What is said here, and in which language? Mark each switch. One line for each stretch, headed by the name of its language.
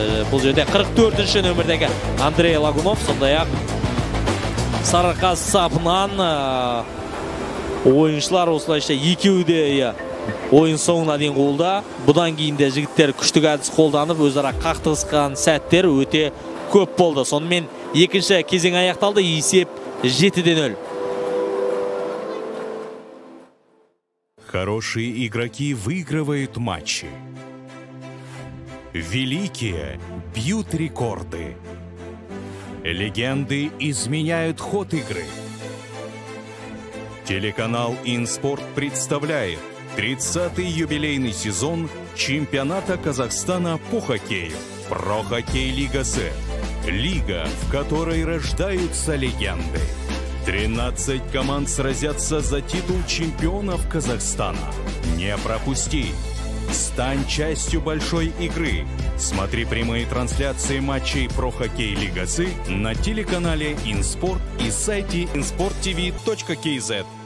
Kazakh: Бұл жерде 44-ші нөмірдегі Андрей Лагунов, сондай-ақ Сарыарқа сапынан ойыншылар осылайша екеуі де ойын соңына дейін қолда. Бұдан кейін де жігіттер күштік әдіс қолданып, өзара қақтығысқан сәттер өте көп болды. Сонымен екінші кезең аяқталды, есеп 7-0.
Russian: Хорошие игроки выигрывают матчи. Великие бьют рекорды. Легенды изменяют ход игры. Телеканал «Инспорт» представляет 30-й юбилейный сезон чемпионата Казахстана по хоккею. Прохоккей Лига С. Лига, в которой рождаются легенды. 13 команд сразятся за титул чемпионов Казахстана. Не пропусти! Стань частью большой игры. Смотри прямые трансляции матчей Прохоккей Лига С на телеканале «Инспорт» и сайте insporttv.kz.